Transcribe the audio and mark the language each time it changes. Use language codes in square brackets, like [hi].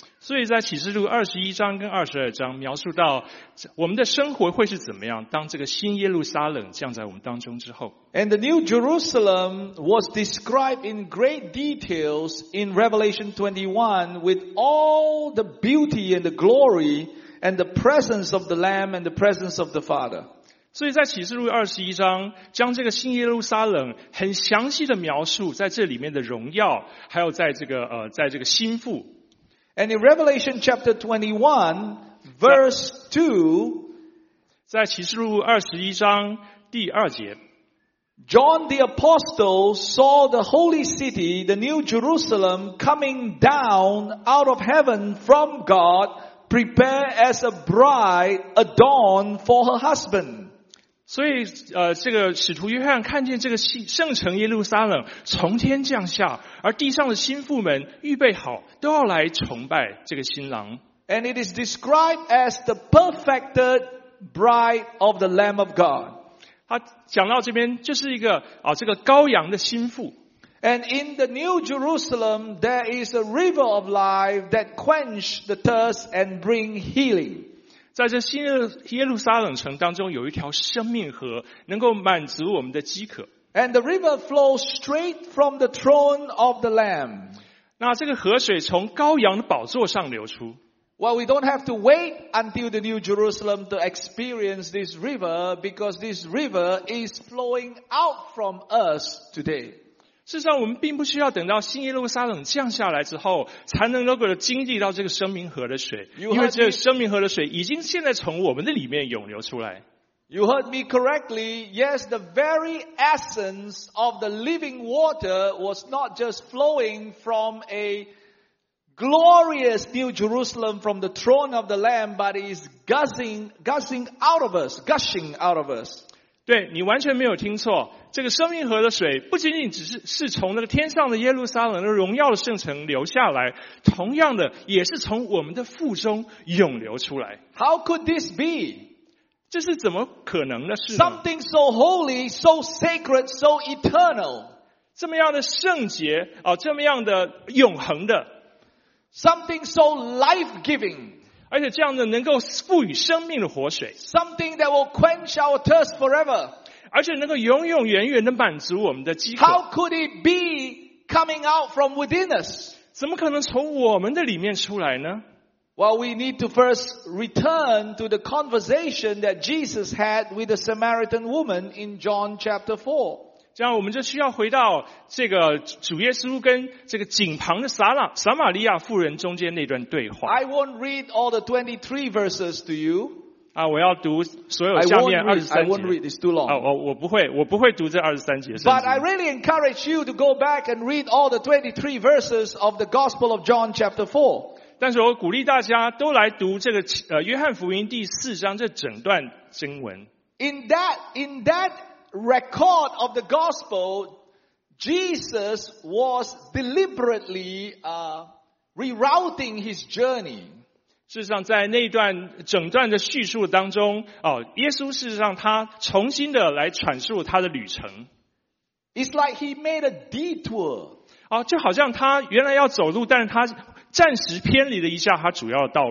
[zh] 所以在启示录21章跟22章描述到我们的生活会是怎么样，当这个新耶路撒冷降在我们当中之后。 [en] And the New Jerusalem was described in great details in Revelation 21 with all the beauty and the glory and the presence of the Lamb and the presence of the Father. [zh] 所以在启示录21章将这个新耶路撒冷很详细的描述在这里面的荣耀，还有在这个在这个心腹。 [en] And in Revelation chapter 21, verse 2, [zh] 在启示录21章第二节， [en] John the Apostle saw the holy city, the New Jerusalem, coming down out of heaven from God,Prepare as a bride adorned for her husband. [zh] 所以这个使徒约翰看见这个圣城耶路撒冷从天降下，而地上的新妇们预备好都要来崇拜这个新郎。 [en] And it is described as the perfected bride of the Lamb of God. [zh] 他讲到这边就是一个这个羔羊的新妇。 [en] And in the New Jerusalem, there is a river of life that quench the thirst and bring healing. [zh] 在这新耶路撒冷城当中有一条生命河能够满足我们的饥渴。 [en] And the river flows straight from the throne of the Lamb. [zh] 那这个河水从羔羊的宝座上流出。 [en] Well, we don't have to wait until the New Jerusalem to experience this river because this river is flowing out from us today. [zh] 事实上我们并不需要等到新耶路撒冷降下来之后才能够经历到这个生命河的水，因为这个生命河的水已经现在从我们的里面涌流出来。 [en] You heard me correctly. Yes, the very essence of the living water was not just flowing from a glorious New Jerusalem from the throne of the Lamb, but is gushing out of us. [zh] 对，你完全没有听错，这个生命河的水不仅仅只 是从那个天上的耶路撒冷的荣耀的圣城流下来，同样的也是从我们的腹中涌流出来。 [en] How could this be? [zh] 这是怎么可能的事呢？ [en] Something so holy, so sacred, so eternal, [zh] 这么样的圣洁、这么样的永恒的， [en] Something so life-giving, [zh] 而且这样的能够赋予生命的活水， [en] Something that will quench our thirst forever. [zh] 而且能够永永远远的满足我们的饥渴。 [en] How could it be coming out from within us? [zh] 怎么可能从我们的里面出来呢？ [en] Well, we need to first return to the conversation that Jesus had with the Samaritan woman in John chapter 4. [zh] 这样我们就需要回到这个主耶稣跟这个井旁的撒玛利亚妇人中间那段对话。 [en] I won't read all the 23 verses to you. [zh] 啊，我要读所有下面23节。 [en] I won't read, it's too long. [zh] 啊，我不会读这23节圣经。 [en] But I really encourage you to go back and read all the 23 verses of the Gospel of John chapter 4. [zh] 但是我鼓励大家都来读这个约翰福音第四章这整段经文。 [en] In that record of the gospel, Jesus was deliberately rerouting his journey. [zh] 事实上在那段整段的叙述当中、耶稣事实上他重新的来阐述他的旅程。 [en] It's like he made a detour.、 [zh] 就好像他原来要走路，但是他暂时偏离了一下他主要的道路。